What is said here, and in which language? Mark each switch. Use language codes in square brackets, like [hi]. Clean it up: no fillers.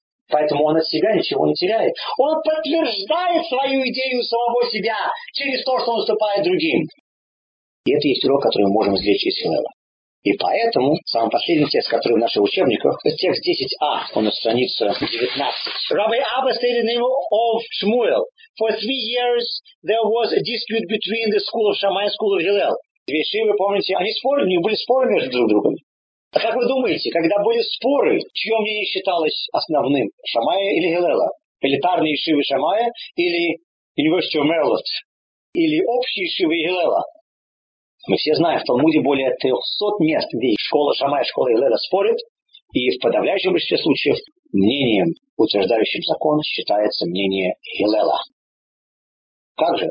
[ru] Поэтому он от себя ничего не теряет. Он подтверждает свою идею самого себя через то, что он уступает другим. И это есть урок, который мы можем извлечь из Гилела. И поэтому самый последний текст, который в наших учебниках, это текст 10а, он на странице 19. [en] Rabbi Abba stated the name of Shmuel. For 3 years there was a dispute between the school of Shammai and school of Hillel. [ru] Две шивы, помните, они спорили, у них были споры между друг другом. А как вы думаете, когда были споры, чье мнение считалось основным? Шамая или Гилела? Элитарные шивы Шамая или University of Maryland? Или общие шивы Гилела? Мы все знаем, в Талмуде более 300 мест, где школа Шамая, школа Гилеля спорит, и в подавляющем большинстве случаев мнением, утверждающим закон, считается мнение Гилеля. Как же?